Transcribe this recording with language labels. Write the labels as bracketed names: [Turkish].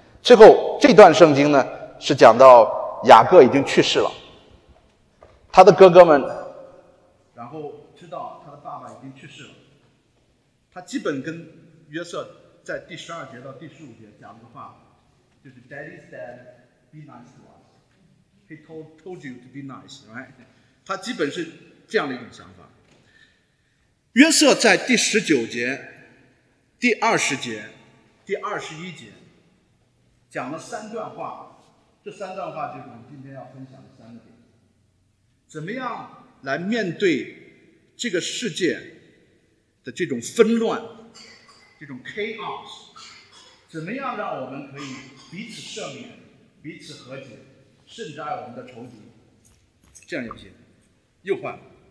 [Chinese] 最后这段圣经呢是讲到雅各已经去世了，他的哥哥们然后知道他的爸爸已经去世了，他基本跟约瑟在第十二节到第十五节讲的话，就是 [English] Daddy said be nice to us. He told you to be nice, right? [Chinese] 他基本是这样的一种想法。约瑟在第十九节、第二十节、第二十一节讲了三段话，这三段话就是我们今天要分享的三个点。怎么样来面对这个世界的这种纷乱，这种 chaos， 怎么样让我们可以彼此赦免、彼此和解，甚至爱我们的仇敌，这样一些又换了。